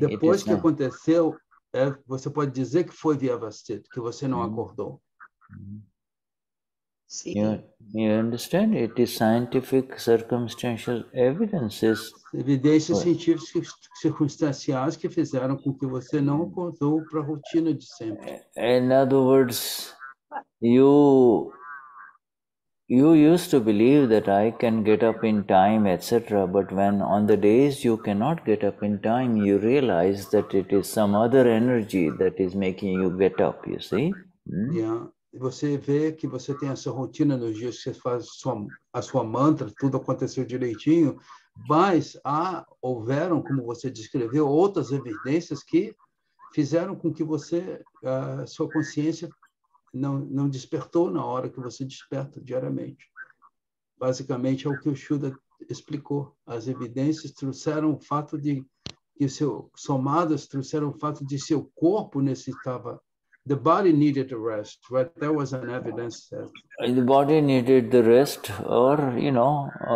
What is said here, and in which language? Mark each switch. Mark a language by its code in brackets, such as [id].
[pt] Depois que aconteceu, você pode dizer que foi Vyavasthit, que você não acordou. [en] Sim. You understand? It is scientific circumstantial evidences. [pt] Evidências científicas circunstanciais que fizeram com que você não acordou para a rotina de sempre. [en] In other words, you used to believe that I can get up in time, etc. But when on the days you cannot get up in time, you realize that it is some other energy that is making you get up, you see? Hmm? Yeah. [pt] Você vê que você tem essa rotina nos dias que você faz a sua mantra, tudo aconteceu direitinho, mas houveram, como você descreveu, outras evidências que fizeram com que você, sua consciência, não despertou na hora que você desperta diariamente. Basicamente, é o que o Shuddha explicou. As evidências trouxeram o fato de que somadas trouxeram o fato de seu corpo necessitava... [en] The body needed a rest, right? There was an evidence. The body needed the rest, or, you know...